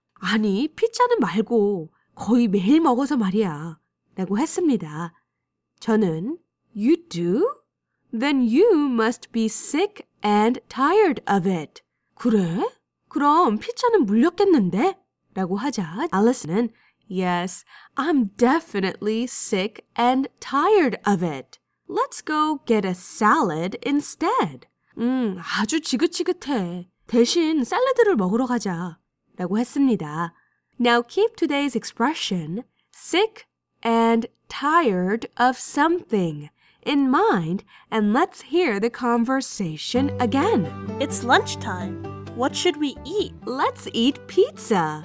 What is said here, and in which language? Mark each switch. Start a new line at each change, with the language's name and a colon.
Korean: 아니, 피자는 말고 거의 매일 먹어서 말이야. 라고 했습니다. 저는
English: You do? Then you must be sick and tired of it.
Korean: 그래? 그럼 피자는 물렸겠는데? 라고 하자 알리스는
English: Yes, I'm definitely sick and tired of it. Let's go get a salad instead.
Korean: 아주 지긋지긋해. 대신 샐러드를 먹으러 가자. 라고 했습니다.
English: Now keep today's expression, sick and tired of something, in mind, and let's hear the conversation again. It's lunchtime. What should we eat? Let's eat pizza.